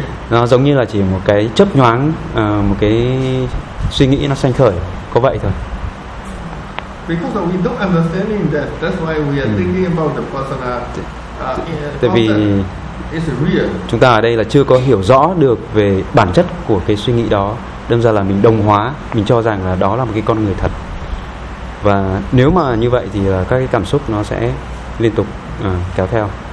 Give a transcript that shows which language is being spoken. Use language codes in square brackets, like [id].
[vi] Nó giống như là chỉ một cái chớp nhoáng, một cái suy nghĩ nó sanh khởi, có vậy thôi. [en] Because we don't understanding that, that's why we are thinking about the persona. [vi] Tại vì [en] it's real. [vi] Chúng ta ở đây là chưa có hiểu rõ được về bản chất của cái suy nghĩ đó, đâm ra là mình đồng hóa, mình cho rằng là đó là một cái con người thật. Và nếu mà như vậy thì là các cái cảm xúc nó sẽ liên tục kéo theo.